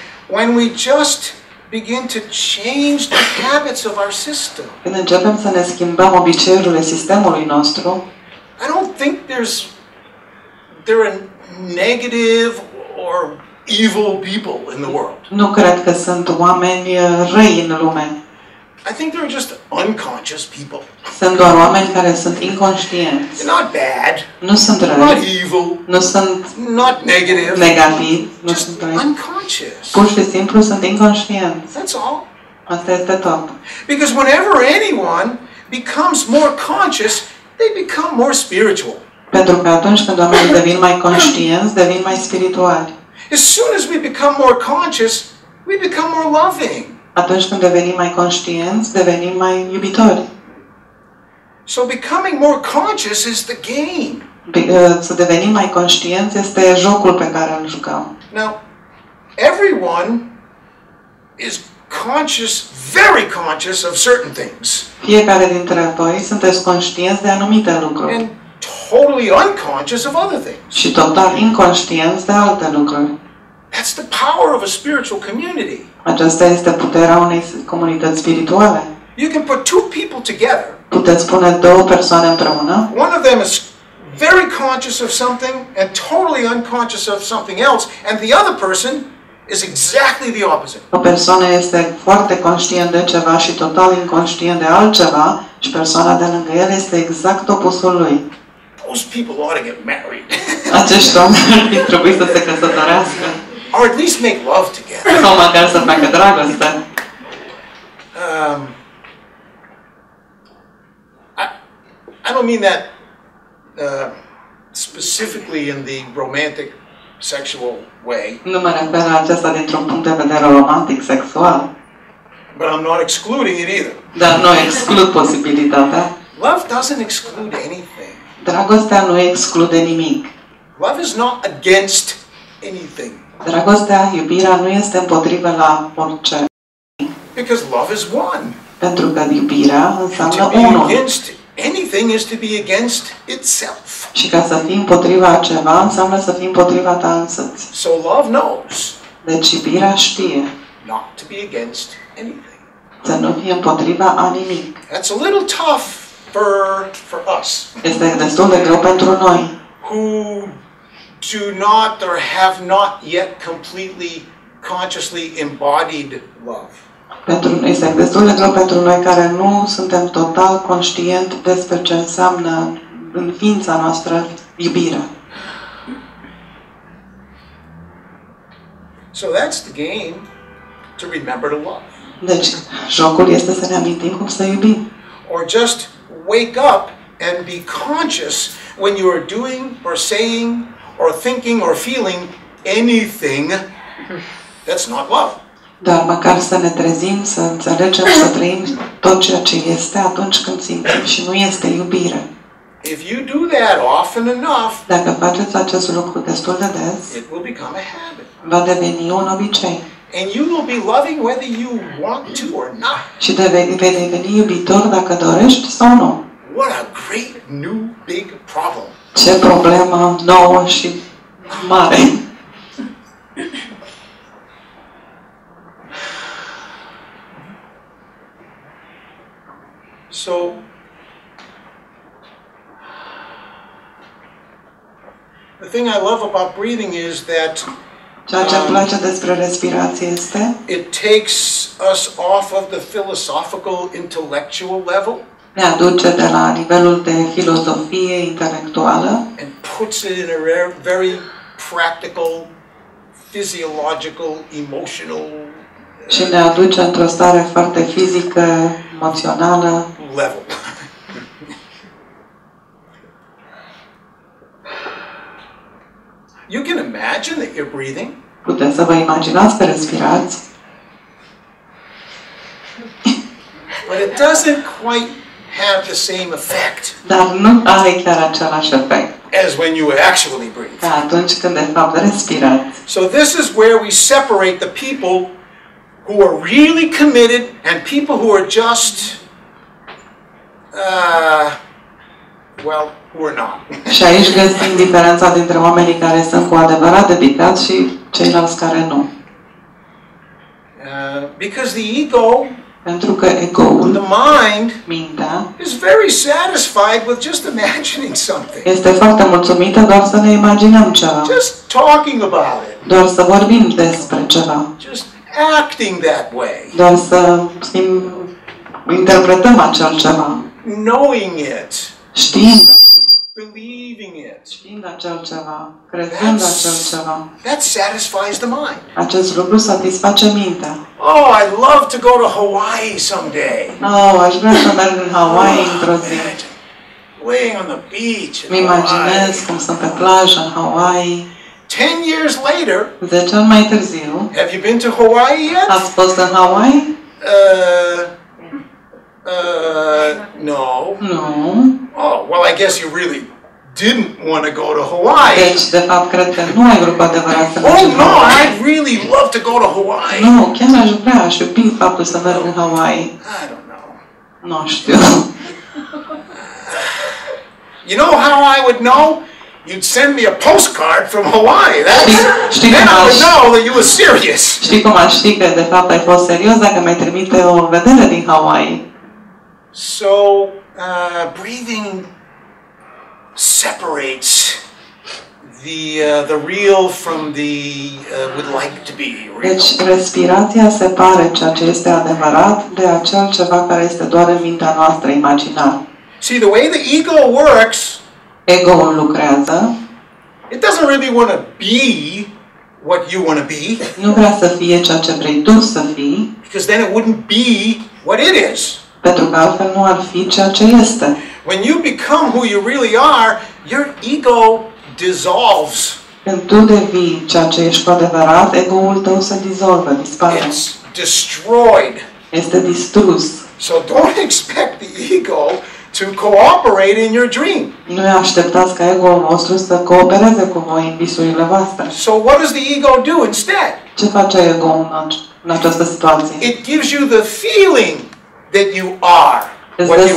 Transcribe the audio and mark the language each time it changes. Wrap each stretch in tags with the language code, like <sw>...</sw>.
<en>When we just begin to change the habits of our system.</en> <ro>Când începem să ne schimbăm obiceiurile sistemului nostru.</ro> <en>I don't think there are negative or evil people in the world.</en> <ro>Nu cred că sunt oameni răi în lume.</ro> <en>I think they're just unconscious people.</en> <ro>Sunt doar oameni care sunt inconștienți.</ro> <en>They're not bad.</en> <ro>Nu sunt răi.</ro> <en>Not evil.</en> <ro>Nu sunt.</ro> <en>Not negative.</en> <ro>Negativ. Nu</ro> <en>just</en> <ro>sunt răi.</ro> <en>Unconscious.</en> <ro>Pur și simplu sunt inconștienți.</ro> <en>That's all.</en> <ro>Asta este tot.</ro> <en>Because whenever anyone becomes more conscious, they become more spiritual.</en> <ro>Pentru că atunci când oamenii devin mai conștienți, devin mai spirituali.</ro> <en>As soon as we become more conscious, we become more loving.</en> <ro>Atunci când devenim mai conștienți, devenim mai iubitori.</ro> <en>So becoming more conscious is the game.</en> <ro>Să devenim mai conștienți este jocul pe care îl jucăm.</ro> <en>Now, everyone is conscious, very conscious of certain things.</en> <ro>Fiecare dintre voi sunteți conștienți de anumite lucruri.</ro> <en>And totally unconscious of other things.</en> <ro>Și total inconștienți de alte lucruri.</ro> <en>That's the power of a spiritual community.</en> <ro>Aceasta este puterea unei comunități spirituale.</ro> <en>You can put 2 people together.</en> <ro>Puteți pune 2 persoane împreună.</ro> <en>One of them is very conscious of something and totally unconscious of something else, and the other person is exactly the opposite.</en> <ro>O persoană este foarte conștientă de ceva și total inconștientă de altceva, și persoana de lângă el este exact opusul lui.</ro> <en>Those people ought to get married.</en> <ro>Acești oameni trebuie să se căsătorească.</ro> <en>Or at least make love together.</en> <ro>Sau măcar să facă dragoste.</ro> <en>I don't mean that specifically in the romantic sexual way.</en> <ro>Nu mă refer la aceasta dintr-un punct de vedere romantic sexual.</ro> <en>But I'm not excluding it either.</en> <ro>Dar nu exclud posibilitatea.</ro> <en>Love doesn't exclude anything.</en> <ro>Dragostea nu exclude nimic.</ro> <en>Love is not against anything.</en> <ro>Dragostea, iubirea nu este împotrivă la orice.</ro> <en>Because love is one.</en> <ro>Pentru că iubirea înseamnă unul.</ro> <en>Against anything is to be against itself.</en> <ro>Și ca să fii împotriva ceva înseamnă să fii împotriva ta însăți.</ro> <en>So love knows.</en> <ro>Deci iubirea știe.</ro> <en>Not to be against anything.</en> <ro>Să nu fii împotriva a nimic.</ro> <en>That's a little tough for us.</en> <ro>Este destul de greu pentru noi.</ro> <en>Who do not or have not yet completely consciously embodied love.</en> <ro>Pentru noi este destul de greu pentru noi care nu suntem total conștient despre ce înseamnă în ființa noastră iubirea.</ro> <en>So that's the game, to remember to love.</en> <ro>Deci, jocul este să ne amintim cum să iubim.</ro> <en>Or just wake up and be conscious when you are doing or saying or thinking or feeling anything that's not love.</en> <ro>Dar măcar să ne trezim, să înțelegem, să trăim tot ceea ce este atunci când simțim și nu este iubire.</ro> <en>If you do that often enough,</en> <ro>dacă faceți acest lucru destul de des,</ro> <en>it will become a habit.</en> <ro>Va deveni un obicei.</ro> <en>And you will be loving whether you want to or not.</en> <ro>Și vei deveni iubitor dacă dorești sau nu.</ro> <en>What a great new big problem.</en> <ro>Ce problemă nouă și mare.</ro> <en>So the thing I love about breathing is that it takes us off of the philosophical intellectual level.</en> <ro>Ne aduce de la nivelul de filosofie intelectuală.</ro> <en>And puts it in a rare, very practical, physiological, emotional.</en> <ro>Și ne aduce într-o stare foarte fizică, emoțională.</ro> <en>Level. You can imagine that you're breathing.</en> <ro>Puteți să vă imaginați că respirați.</ro> <en>But it doesn't quite have the same effect.</en> <ro>Dar nu are chiar același efect.</ro> <en>As when you actually breathe.</en> <ro>Ca atunci când de fapt respirați.</ro> <en>So this is where we separate the people who are really committed and people who are just well, we're not.</en> <ro>Și aici găsim diferența dintre oamenii care sunt cu adevărat dedicați și ceilalți care nu.</ro> <en>Because the ego,</en> <ro>pentru că ego-ul,</ro> <en>the mind,</en> <ro>mintea,</ro> <en>is very satisfied with just imagining something.</en> <ro>Este foarte mulțumită doar să ne imaginăm ceva.</ro> <en>Just talking about it.</en> <ro>Doar să vorbim despre ceva.</ro> <en>Just acting that way.</en> <ro>Doar să interpretăm acel ceva.</ro> <en>Knowing it.</en> <ro>Știind.</ro> <en>Believing it.</en> <ro>Știind acel ceva. Crezând acel ceva.</ro> <en>That satisfies the mind.</en> <ro>Acest lucru satisface mintea.</ro> <en>Oh, I'd love to go to Hawaii someday.</en> <ro>Oh, aș vrea să merg în Hawaii într-o zi.</ro> <en>Laying on the beach in Hawaii.</en> <ro>Mi-imaginez cum sunt pe plajă în Hawaii.</ro> <en>10 years later.</en> <ro>10 ani mai târziu.</ro> <en>Have you been to Hawaii yet?</en> <ro>Ați fost în Hawaii?</ro> <en>No.</en> <ro>No.</ro> <en>Oh, well, I guess you really didn't want to go to Hawaii.</en> <ro>Deci, de fapt, cred că nu ai vrut cu adevărat să mergi.</ro> <en>Oh, no, I'd really love to go to Hawaii.</en> <ro>Nu, no, chiar aș vrea, aș iubi faptul să merg în Hawaii.</ro> <en>I don't know.</en> <ro>Nu știu.</ro> <en>You know how I would know? You'd send me a postcard from Hawaii.</en> <ro>Știi</ro> <en>then I would know that you were serious.</en> <ro>Știi cum aș ști că, de fapt, ai fost serios dacă mi-ai trimite o vedere din Hawaii.</ro> <en>So, breathing separates the real from the would like to be real.</en> <ro>Deci respirația separă ceea ce este adevărat de acel ceva care este doar în mintea noastră imaginar.</ro> <en>See, the way the ego works,</en> <ro>ego-ul lucrează,</ro> <en>it doesn't really want to be what you want to be.</en> <ro>Nu vrea să fie ceea ce vrei tu să fii.</ro> <en>Because then it wouldn't be what it is.</en> <ro>Pentru că altfel nu ar fi ceea ce este.</ro> <en>When you become who you really are, your ego dissolves.</en> <ro>Când tu devii ceea ce ești cu adevărat, ego-ul tău se dizolvă, dispare.</ro> <en>It's destroyed.</en> <ro>Este distrus.</ro> <en>So don't expect the ego to cooperate in your dream.</en> <ro>Nu așteptați ca ego-ul vostru să coopereze cu voi în visurile voastre.</ro> <en>So what does the ego do instead?</en> <ro>Ce face ego-ul în această situație?</ro> <en>It gives you the feeling that you are what you</en>